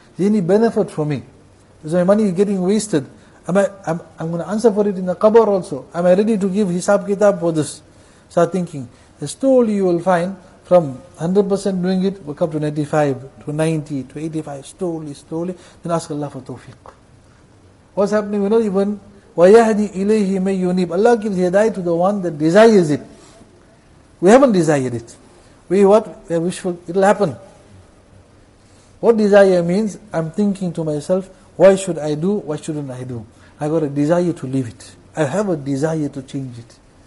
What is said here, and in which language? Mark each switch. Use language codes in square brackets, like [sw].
[en] Is there any benefit for me? Is my money getting wasted? I'm going to answer for it in the qabr also. Am I ready to give hisab kitab for this? Start thinking. Slowly you will find from 100% doing it, we'll come to 95, to 90, to 85, slowly. Then ask Allah for tawfiq. What's happening? We're not even, [ar] وَيَهْدِ إِلَيْهِ مَنْ يُنِيبُ. [en] Allah gives hidayah to the one that desires it. We haven't desired it. We are wishful, it'll happen. What desire means, I'm thinking to myself, why should I do, why shouldn't I do? I got a desire to leave it. I have a desire to change it.